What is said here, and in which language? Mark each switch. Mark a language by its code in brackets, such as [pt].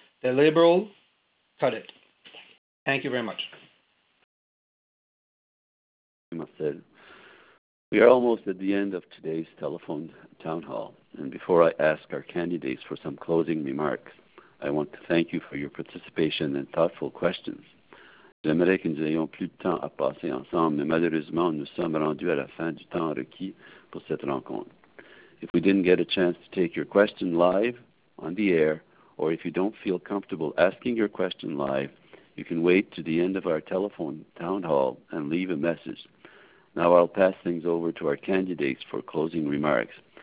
[en] The Liberal cut it. Thank you very much. We are almost at the end of today's telephone town hall, and before I ask our candidates for some closing remarks, I want to thank you for your participation and thoughtful questions. [fr] J'aimerais que nous ayons plus de temps à passer ensemble, mais malheureusement, nous sommes rendus à la fin du temps requis pour cette rencontre. [en] If we didn't get a chance to take your question live on the air, or if you don't feel comfortable asking your question live, you can wait to the end of our telephone town hall and leave a message. Now I'll pass things over to our candidates for closing remarks.